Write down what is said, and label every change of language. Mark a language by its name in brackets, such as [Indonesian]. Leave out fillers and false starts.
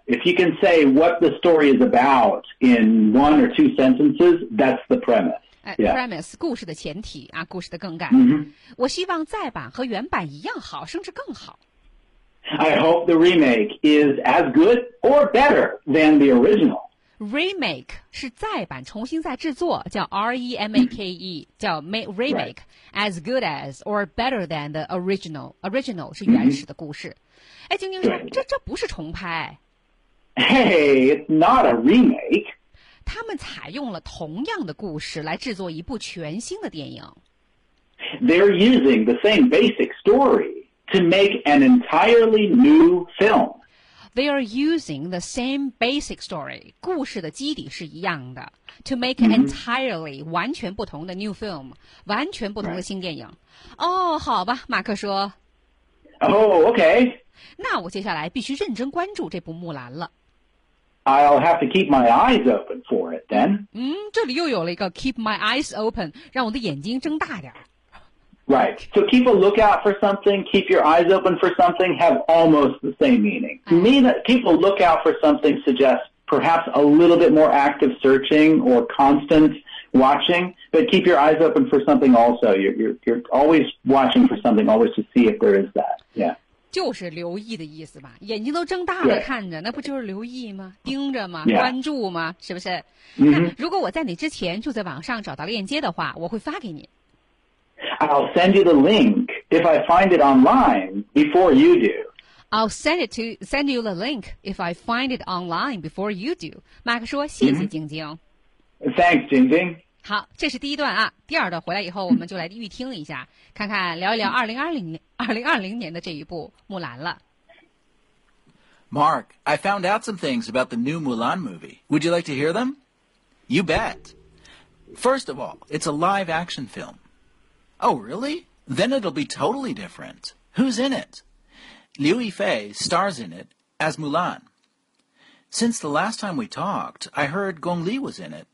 [English] If you can say what the story is about in one or two sentences, that's the premise.、Yeah. [Chinese] Premise, 故事的前提啊，故事的梗概。 [English] Mm-hmm. [Chinese] 我希望再版和原版一样好，甚至更好。 [English] I hope the remake is as good or better than the original. [Chinese] Remake 是再版，重新再制作，叫 R-E-M-A-K-E, 叫 remake,、 [English] right. as good as or better than the original. [Chinese] Original 是原始的故事。 [English] Mm-hmm. [Chinese] 哎，晶晶说，这不是重拍。 [English] Hey, it's not a remake. [Chinese] 他们采用了同样的故事来制作一部全新的电影。 [English] They're using the same basic story to make an entirely new film. They are using the same basic story, [Chinese] 故事的基底是一样的 [English] to make an entirely [Chinese] 完全不同的 [English] new film, [Chinese] 完全不同的新电影。 [English] 哦、 [Chinese] oh, ，好吧，马克说。 [English] Oh, okay. [Chinese] 那我接下来必须认真关注这部木兰了。 [English] I'll have to keep my eyes open for it then. [Chinese] 这里又有了一个 [English] keep my eyes open, [Chinese] 让我的眼睛睁大点。 [English] Right, so keep a lookout for something, keep your eyes open for something, have almost the same meaning. Keep a lookout for something suggests perhaps a little bit more active searching or constant watching, but keep your eyes open for something also. You're always watching for something, always to see if there is that, yeah. [Chinese] 就是留意的意思吧眼睛都睁大了看着那不就是留意吗盯着吗、 [English] yeah. [Chinese] 关注吗是不是、 [English] mm-hmm. [Chinese] 那如果我在你之前就在网上找到链接的话我会发给你 [English] I'll send you the link if I find it online before you do I'll send you the link if I find it online before you do [Chinese] 马克说谢谢晶晶、 [English] mm-hmm. Thanks 晶晶 [Chinese] 好，这是第一段啊。第二段回来以后，我们就来预听一下，看看聊一聊二零二零年的这一部《木兰》了。 [English] Mark, I found out some things about the new Mulan movie. Would you like to hear them? You bet. First of all, it's a live-action film. Oh, really? Then it'll be totally different. Who's in it? Liu Yifei stars in it as Mulan. Since the last time we talked, I heard Gong Li was in it.